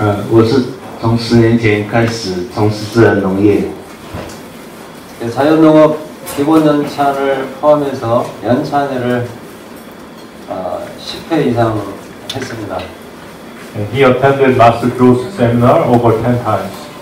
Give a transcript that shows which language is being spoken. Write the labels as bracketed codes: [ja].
[zh] 我是从 10年前开始从事自然农业. [ko] 자연농업 기본 연차를 포함해서 연차회를 10회 이상 했습니다. [en] And he attended Master Joe's seminar over 10 times.